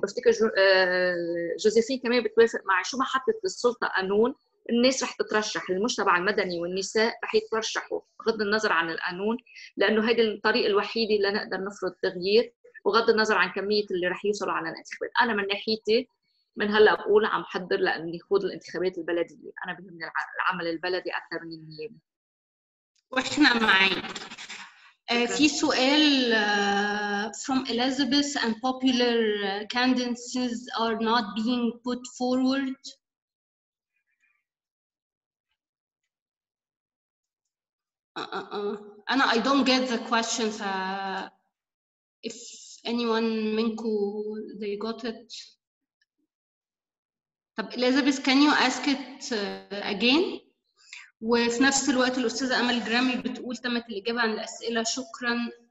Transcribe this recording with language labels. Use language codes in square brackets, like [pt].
[ar] بفتكر جوزيفين كمان بتوافق معي، شو محط السلطة قانون، الناس رح تترشح، المجتمع المدني والنساء رح يترشحوا بغض النظر عن القانون، لأنه هيدا الطريق الوحيد اللي نقدر نفرض التغيير وغض النظر عن كمية اللي رح يوصلوا على الانتخابات. أنا من ناحيتي من هلأ أقول عم حضر لأني خوض الانتخابات البلدية، أنا بهمني العمل البلدي أكثر من النيابي. وإحنا معين. في سؤال [en] from Elizabeth, and popular candidates are not being put forward. [ar] أنا [en] I don't get the question. If anyone [ar] منكو [en] they got it. [ar] طب [en] Elizabeth can you ask it again؟ [ar] وفي نفس الوقت الأستاذة أمل جرامي بتقول تمت الإجابة عن الأسئلة شكراً.